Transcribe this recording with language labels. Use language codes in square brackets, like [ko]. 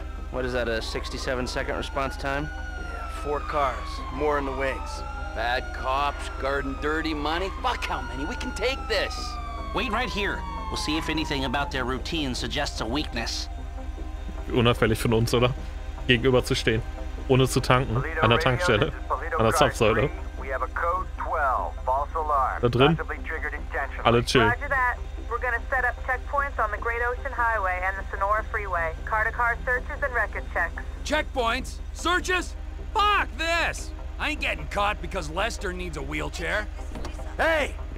[en] What is that, a 67-second response time? Yeah, 4 cars, more in the wings. Bad cops, garden dirty money, fuck how many, we can take this! Wait right here, we'll see if anything about their routine suggests a weakness. [de] Unauffällig von uns, oder? gegenüber zu stehen, ohne zu tanken, an der Tankstelle, an der Zapfsäule. Da drin, alle chill. [en] We're gonna set up checkpoints on the Great Ocean Highway and the Sonora Freeway. Car-to-car searches and record checks. Checkpoints? Searches? Fuck this! I ain't getting caught because Lester needs a wheelchair. Hey!